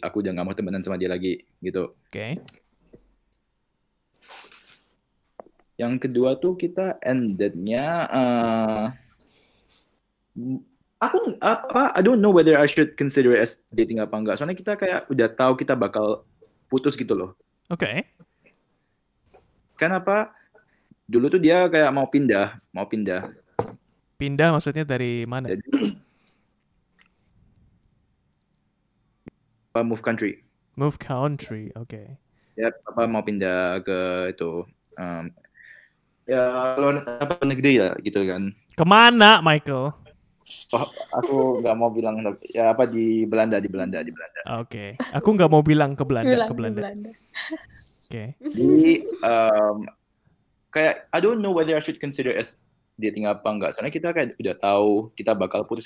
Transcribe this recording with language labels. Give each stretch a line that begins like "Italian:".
Indonesian: Aku udah nggak mau temenan sama dia lagi gitu.
English: Okay.
Indonesian: Yang kedua tuh kita endednya.
English: I don't know whether I should consider it as dating
Indonesian: apa enggak. Soalnya kita kayak udah tahu kita bakal putus gitu loh.
English: Okay.
Indonesian: Kenapa? Dulu tuh dia kayak mau pindah. Pindah maksudnya dari mana?
English: Move country. Okay.
Indonesian: Ya, apa mau pindah ke itu? Ya, kalau apa negeri ya gitu kan? Kemana, Michael? Oh, aku nggak mau bilang ya apa di Belanda. Oke, okay. Aku nggak mau bilang ke Belanda. Oke.
English: Okay. Di kayak I don't know whether I should consider as dating
Indonesian: apa enggak. Soalnya kita kayak udah tahu kita bakal putus.